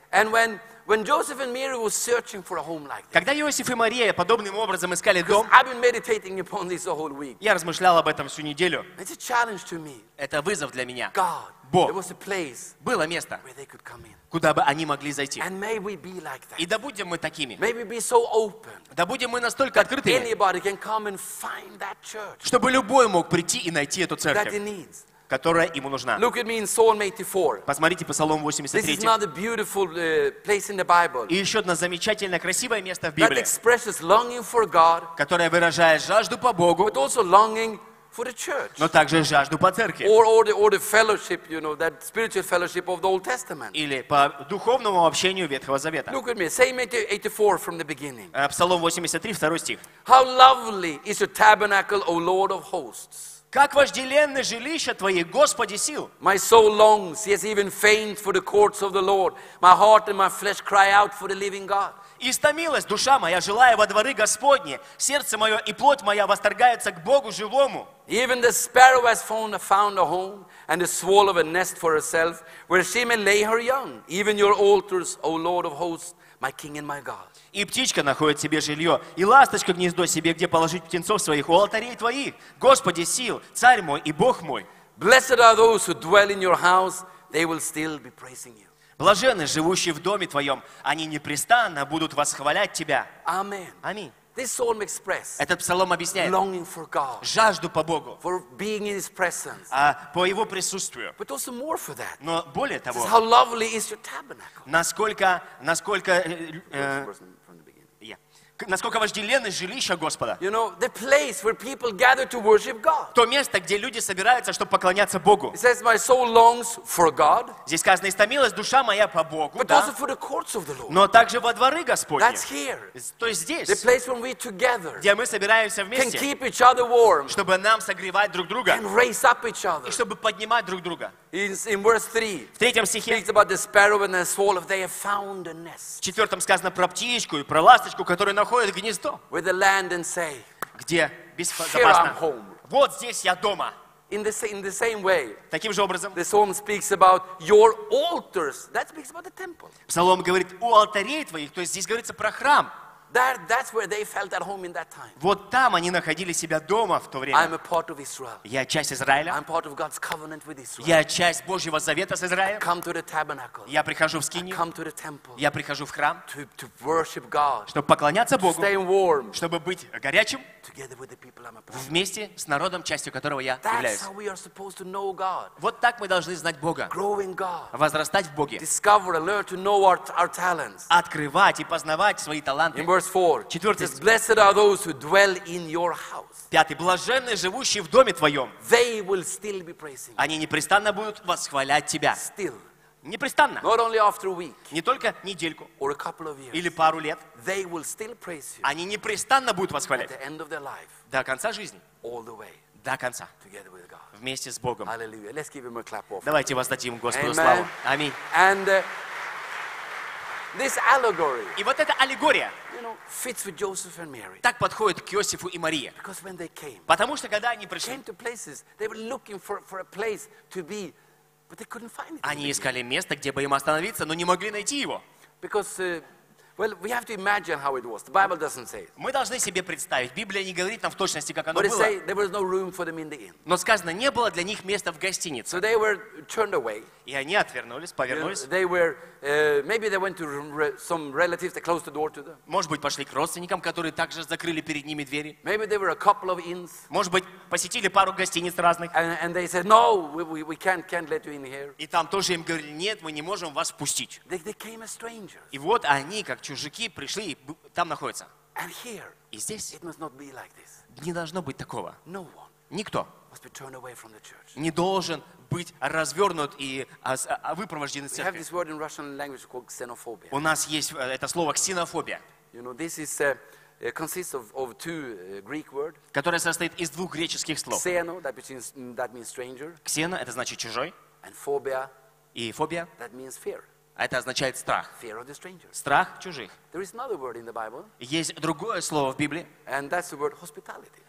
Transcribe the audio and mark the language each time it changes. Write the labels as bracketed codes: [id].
[en] And when Joseph and Mary were searching for a home like this, [ru] когда Иосиф и Мария подобным образом искали дом, [en] I've been meditating upon this whole week. [ru] Я размышлял об этом всю неделю. [en] It's a challenge to me. [ru] Это вызов для меня. [en] God, [ru] Бог, [en] there was a place, [ru] было место, [en] where they could come in. [ru] Куда бы они могли зайти. [en] And may we be like that. [ru] И да будем мы такими. [en] May we be so open, [ru] да будем мы настолько открытыми, [en] anybody can come and find that church, [ru] чтобы любой мог прийти и найти эту церковь, [en] that he needs. [ru] Которая ему нужна. [en] Look at me in Psalm 84. [ru] Посмотрите по Псалом 83. [en] This is another beautiful place in the Bible. [ru] И еще одно замечательное, красивое место в Библии, [en] that expresses longing for God, [ru] которое выражает жажду по Богу, [en] but also longing for the church. [ru] Но также жажду по церкви. [en] Or the fellowship, you know, that spiritual fellowship of the Old Testament. [ru] Или по духовному общению Ветхого Завета. [en] Look at me, Psalm 84 from the beginning. [ru] Псалом 83, второй стих. [en] How lovely is your tabernacle, O Lord of hosts. [ru] Как вожделенны жилища твои, Господи сил. [en] My soul longs, yes, even faints for the courts of the Lord. My heart and my flesh cry out for the living God. [ru] Истомилась душа моя, желая во дворы Господни. Сердце мое и плоть моя восторгаются к Богу живому. [en] Even the sparrow has found a home, and the swallow a nest for herself, where she may lay her young. Even your altars, O Lord of hosts, my King and my God. [ru] И птичка находит себе жилье, и ласточка гнездо себе, где положить птенцов своих у алтарей твоих, Господи сил, Царь мой и Бог мой. [en] Blessed are those who dwell in your house, they will still be praising you. [ru] Блаженны, живущие в доме твоем, они непрестанно будут восхвалять тебя. Аминь. Аминь. [en] This psalm express, [ru] этот псалом объясняет [en] longing for God, [ru] жажду по Богу, [en] for being in his presence, [ru] а по Его присутствию. [en] But also more for that. [ru] Но более того, [en] this is how lovely is your tabernacle. [ru] Насколько вожделенны жилища Господа. [en] You know, the place where people gather to worship God. [ru] То место, где люди собираются, чтобы поклоняться Богу. [en] It says, my soul longs for God. [ru] Здесь сказано, истомилась душа моя по Богу. [en] But Also for the courts of the Lord. [ru] Но также во дворы Господни. [en] That's here. [ru] То есть здесь. [en] The place where we together, [ru] где мы собираемся вместе. [en] Can keep each other warm, [ru] чтобы нам согревать друг друга. [en] And raise up each other. [ru] И чтобы поднимать друг друга. [en] In verse 3, [ru] в третьем стихе. [en] Speaks about the sparrow and the swallow. They have found a nest. [ru] В четвертом сказано про птичку и про ласточку, которые находятся. Гнездо, [en] where the land and say, [ru] где безопасно. [en] Here I'm home. [ru] Вот здесь я дома. [en] In the same way, [ru] таким же образом, [en] the psalm speaks about your altars. That speaks about the temple. [ru] Псалом говорит о алтарей твоих, то есть здесь говорится про храм. [en] That's where they felt at home in that time. [ru] Вот там они находили себя дома в то время. [en] I'm a part of Israel. [ru] Я часть Израиля. [en] I'm part of God's covenant with Israel. [ru] Я часть Божьего завета с Израилем. [en] I come to the tabernacle. [ru] Я прихожу в скинию. [en] I come to the temple. [ru] Я прихожу в храм. [en] To worship God. [ru] Чтобы поклоняться Богу. [en] To stay warm. [ru] Чтобы быть горячим. [en] Together with the people I'm a part of. [ru] Вместе с народом, частью которого я [en] That's [ru] являюсь. [en] That's how we are supposed to know God. [ru] Вот так мы должны знать Бога. [en] Growing God. [ru] Возрастать в Боге. [en] Discover and learn to know our talents. [ru] Открывать и познавать свои таланты. [en] Verse 4. Blessed are those who dwell in your house. [ru] Пятый. Блаженны, живущие в доме твоем. [en] They will still be praising you. [ru] Они непрестанно будут восхвалять тебя. [en] Still. [ru] Непрестанно. [en] Not only after a week. [ru] Не только недельку. [en] Or a couple of years. [ru] Или пару лет. [en] They will still praise you. [ru] Они непрестанно будут восхвалять. [en] At the end of their life. [ru] До конца жизни. [en] All the way. [ru] До конца. [en] Together with God. [ru] Вместе с Богом. [en] Hallelujah. Let's give him a clap of. [ru] Давайте воздадим Господу славу. Аминь. [en] And this allegory. [ru] И вот эта аллегория. [en] Fits with Joseph and Mary. [ru] Так подходит к Иосифу и Марии. [en] Because when they came, [ru] потому что когда они пришли, [en] came to places, they were looking for a place to be, but they couldn't find it. [ru] Они искали место, где бы им остановиться, но не могли найти его. [en] Because well, we have to imagine how it was. The Bible doesn't say. [ru] Мы должны себе представить. Библия не говорит нам в точности, как оно [en] But [ru] было. [en] But it says there was no room for them in the inn. [ru] Но сказано, не было для них места в гостинице. [en] So they were turned away. [ru] И они отвернулись, повернулись. [en] They were maybe they went to some relatives that closed the door to them. [ru] Может быть, пошли к родственникам, которые также закрыли перед ними двери. [en] Maybe there were a couple of inns. [ru] Может быть, посетили пару гостиниц разных. [en] And they said, no, we can't let you in here. [ru] И там тоже им говорили, нет, мы не можем вас впустить. [en] They came as strangers. [ru] И вот они как чужаки пришли и там находятся. [en] And here, [ru] и здесь [en] it must not be like this. [ru] Не должно быть такого. [en] No one [ru] никто [en] must be turned away from the church. [ru] Не должен быть развернут и выпровожден из церкви. [en] We have this word in Russian language called xenophobia. [ru] У нас есть это слово ксенофобия. [en] You know, this is, consists of two Greek words. [ru] Которое состоит из двух греческих слов. [en] Xeno, that means stranger. [ru] Ксено, это значит чужой. [en] And phobia, [ru] и фобия, [en] that means fear. [ru] Это означает страх. [en] Fear of the stranger. [ru] Страх чужих. [en] There is another word in the Bible. [ru] Есть другое слово в Библии. [en] And that's the word hospitality.